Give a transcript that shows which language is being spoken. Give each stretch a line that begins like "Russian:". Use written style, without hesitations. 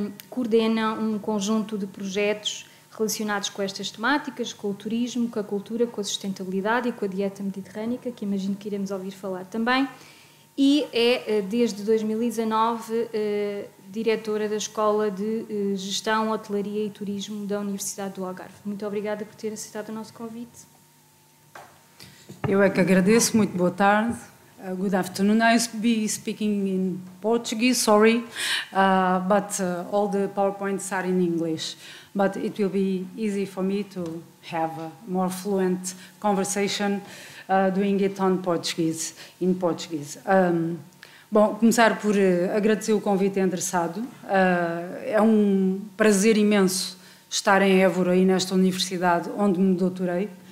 Portuguese: coordena um conjunto de projetos relacionados com estas temáticas, com o turismo, com a cultura, com a sustentabilidade e com a dieta mediterrânica, que imagino que iremos ouvir falar também, e é desde 2019 diretora da Escola de Gestão, Hotelaria e Turismo da Universidade do Algarve. Muito obrigada por ter aceitado o nosso convite. Eu é que agradeço, muito boa tarde.
English: Good afternoon. I'll be speaking in Portuguese, sorry, but all the PowerPoints are in English. But it will be easy for me to have a more fluent conversation doing it on Portuguese, in Portuguese.
Portuguese: Bom, começar por agradecer o convite endereçado. É um prazer imenso estar em Évora e nesta universidade onde me doutorei.